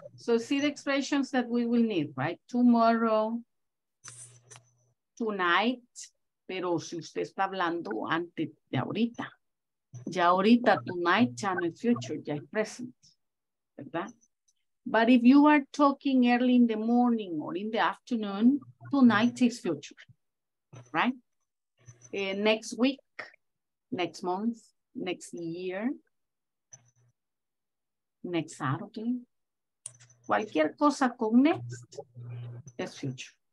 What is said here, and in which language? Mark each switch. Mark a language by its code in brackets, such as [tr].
[en] So see the expressions that we will need, right? Tomorrow, tonight, [es] pero si usted está hablando antes de ahorita. Ya ahorita, tonight, ya no es future, ya es present, ¿verdad? [en] But if you are talking early in the morning or in the afternoon, tonight is future, right? Next week, next month, next year, next Saturday, [es] cualquier cosa con [en] next es future.